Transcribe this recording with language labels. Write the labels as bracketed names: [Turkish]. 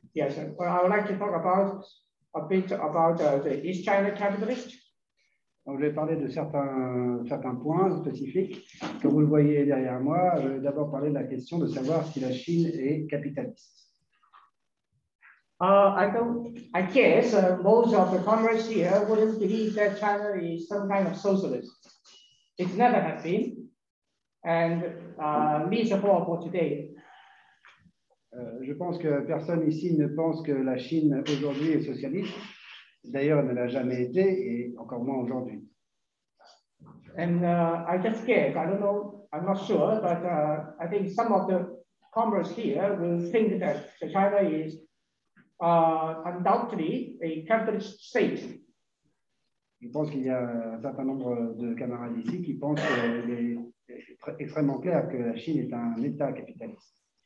[English] Yes, well, I would like to talk about a bit about the East China capitalist. [French] Donc, je vais parler de certains points spécifiques que vous le voyez derrière moi. Je vais d'abord parler de la question de savoir si la Chine est capitaliste. [English] I guess most of the comrades here wouldn't believe that China is some kind of socialist. It never has been. And me support for today. [French] Je pense que personne ici ne pense que la Chine aujourd'hui est socialiste. D'ailleurs, elle ne l'a jamais été, et encore moins aujourd'hui. [English] And I just guess, I don't know, I'm not sure, but I think some of the comrades here will think that China is undoubtedly a capitalist state. [French] Je pense qu'il y a un certain nombre de camarades ici qui pensent qu'il est extrêmement clair que la Chine est un État capitaliste.